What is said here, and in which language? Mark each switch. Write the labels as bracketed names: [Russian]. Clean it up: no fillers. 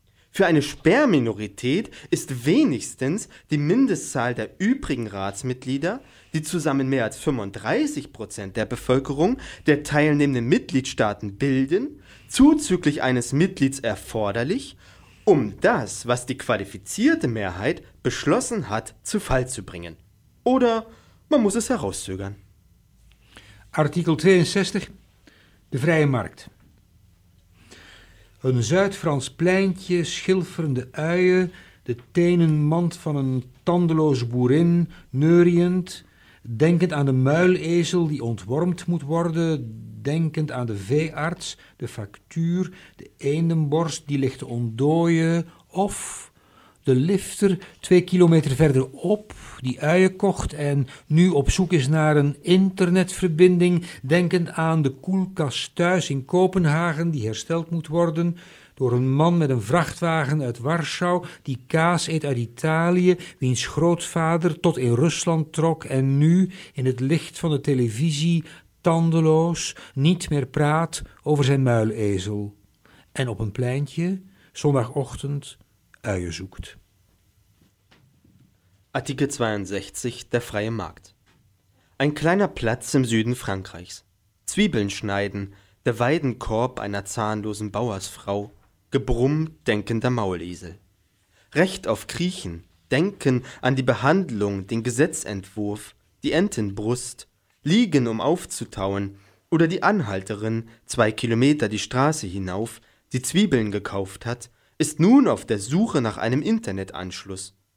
[German] Für eine Sperrminorität ist wenigstens die Mindestzahl der übrigen Ratsmitglieder, die zusammen mehr als 35% der Bevölkerung der teilnehmenden Mitgliedstaaten bilden, zuzüglich eines Mitglieds erforderlich, um das, was die qualifizierte Mehrheit beschlossen hat, zu Fall zu bringen. Oder man muss es herauszögern. Artikel 62, der freie Markt. [Dutch] Een Zuid-Frans pleintje, schilferende uien, de tenenmand van een tandeloze boerin, neuriënd, denkend aan de muilezel die ontwormd moet worden, denkend aan de veearts, de factuur, de eendenborst die ligt te ontdooien, of de lifter 2 kilometer verderop die uien kocht en nu op zoek is naar een internetverbinding, denkend aan de koelkast thuis in Kopenhagen die hersteld moet worden door een man met een vrachtwagen uit Warschau die kaas eet uit Italië, wiens grootvader tot in Rusland trok en nu in het licht van de televisie tandeloos niet meer praat over zijn muilezel. En op een pleintje, zondagochtend, uien zoekt. [German] Artikel 62, der freie Markt. Ein kleiner Platz im Süden Frankreichs. Zwiebeln schneiden, der Weidenkorb einer zahnlosen Bauersfrau, Gebrumm denkender Maulesel. Recht auf Kriechen, denken an die Behandlung, den Gesetzentwurf, die Entenbrust, liegen um aufzutauen oder die Anhalterin, 2 Kilometer die Straße hinauf, die Zwiebeln gekauft hat, ist nun auf der Suche nach einem Internetanschluss.